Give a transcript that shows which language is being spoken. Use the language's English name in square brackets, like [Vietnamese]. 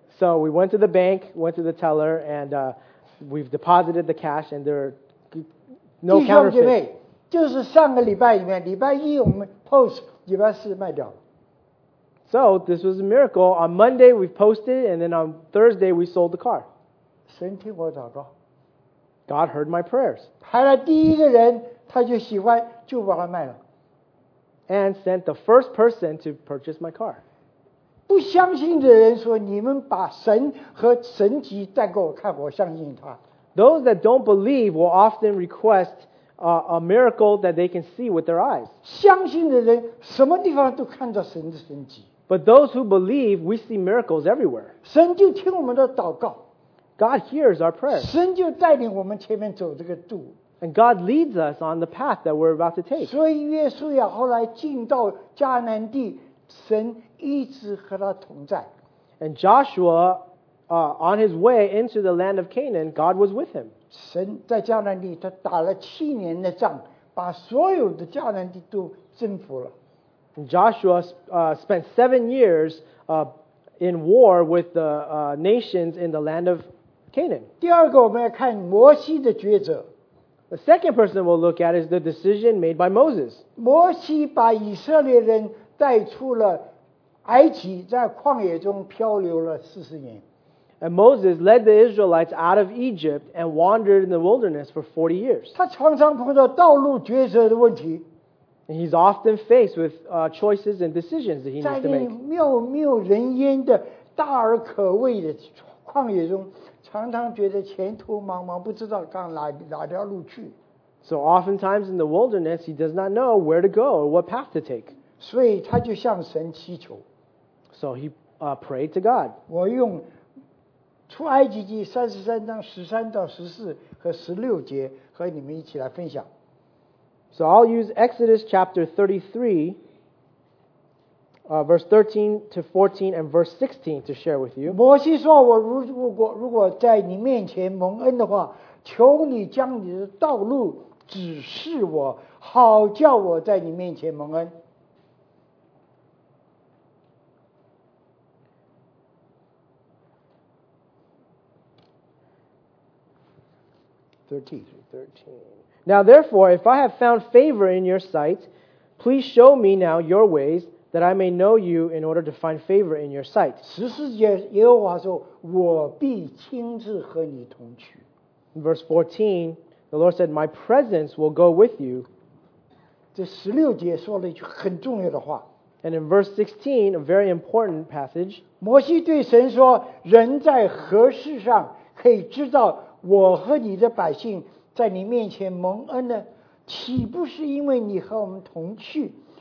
[English] So we went to the bank, went to the teller, and we've deposited the cash, and there are no counterfeits. [Chinese] 弟兄姐妹，就是上个礼拜里面，礼拜一我们 post， 礼拜四卖掉了。 [English] So this was a miracle. On Monday we posted, and then on Thursday we sold the car. [Chinese] 神听我祷告。 [English] God heard my prayers. [Chinese] 排了第一个人，他就喜欢，就把它卖了。 [English] And sent the first person to purchase my car. [Chinese] 不相信的人说：“你们把神和神迹带给我看，我相信他。” [English] Those that don't believe will often request a miracle that they can see with their eyes. [Chinese] 相信的人什么地方都看到神的神迹。 [English] But those who believe, we see miracles everywhere. [Chinese] 神就听我们的祷告。 [English] God hears our prayers. [Chinese] 神就带领我们前面走这个路。 [English] And God leads us on the path that we're about to take. [Chinese] 所以约书亚后来进到迦南地，神一直和他同在。 [English] And Joshua, on his way into the land of Canaan, God was with him. [Chinese] 神在迦南地，他打了7年的仗，把所有的迦南地都征服了。 [English] And Joshua spent 7 years in war with the nations in the land of Canaan. [Chinese] 第二个，我们要看摩西的抉择。 [English] The second person we'll look at is the decision made by Moses. [Chinese] 摩西把以色列人带出了埃及，在旷野中漂流了40年。 [English] And Moses led the Israelites out of Egypt and wandered in the wilderness for 40 years. [Chinese] 他常常碰到道路抉择的问题。 [English] And he's often faced with choices and decisions that he needs to make. [Chinese] 在没有人烟的大而可畏的旷野中，常常觉得前途茫茫，不知道该哪条路去。 [English] So oftentimes in the wilderness, he does not know where to go or what path to take. [Chinese] 所以他就向神祈求。 [English] So he prayed to God. [Chinese] 我用出埃及记33:13-16和你们一起来分享。 [English] So I'll use Exodus chapter 33:13-14 and 3:13. Now, therefore, if I have found favor in your sight, please show me now your ways, that I may know you in order to find favor in your sight. [Chinese] 14节, 耶和华说, 我必亲自和你同去。 [English] Verse 14, the Lord said, my presence will go with you. [Chinese] 这16节说了一句很重要的话。 [English] And in verse 16, a very important passage, [Chinese] 摩西对神说, 人在何事上可以知道我和你的百姓在你面前蒙恩呢? 岂不是因为你和我们同去?